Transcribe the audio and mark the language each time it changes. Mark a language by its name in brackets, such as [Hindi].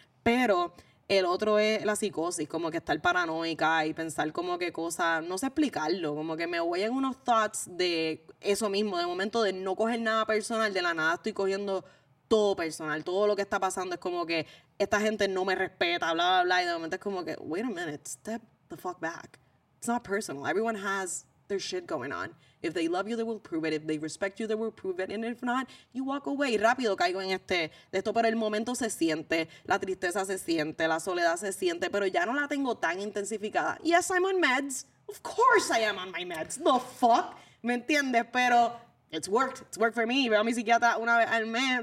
[Spanish] Pero el otro es la psicosis, como que estar paranoica y pensar como que cosas, no sé explicarlo, como que me voy en unos thoughts de eso mismo, de momento de no coger nada personal, de la nada estoy cogiendo todo personal, todo lo que está pasando es como que esta gente no me respeta, bla, bla, bla, y de momento es como que, [English] wait a minute, step the fuck back. It's not personal. Everyone has their shit going on. If they love you, they will prove it. If they respect you, they will prove it. And if not, you walk away. [Spanish] Rápido caigo en este, de esto, pero el momento se siente, la tristeza se siente, la soledad se siente, pero ya no la tengo tan intensificada. [English] Yes, I'm on meds. Of course I am on my meds. The fuck? [Spanish] ¿Me entiendes? [English] Pero It's worked for me. [Spanish] Veo a mi psiquiatra una vez al mes.